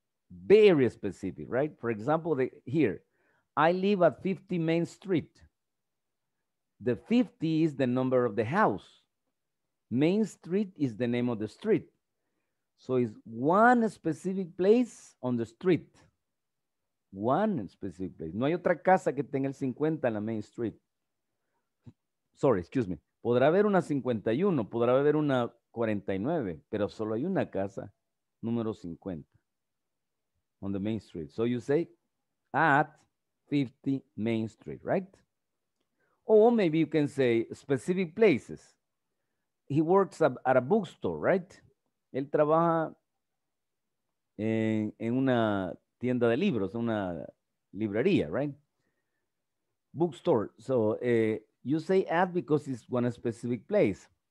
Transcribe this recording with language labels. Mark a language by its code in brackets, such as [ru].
[en] Very specific, right? For example, here. I live at 50 Main Street. The 50 is the number of the house. Main Street is the name of the street. So it's one specific place on the street. One specific place. [es] No hay otra casa que tenga el 50 en la Main Street. [en] Sorry, excuse me. [es] Podrá haber una 51, podrá haber una 49, pero solo hay una casa, número 50, [en] on the Main Street. So you say, at 50 Main Street, right? Or maybe you can say specific places. He works at a bookstore, right? [es] Él trabaja en una tienda de libros, una librería, right? [en] Bookstore. So you say at because it's one specific place.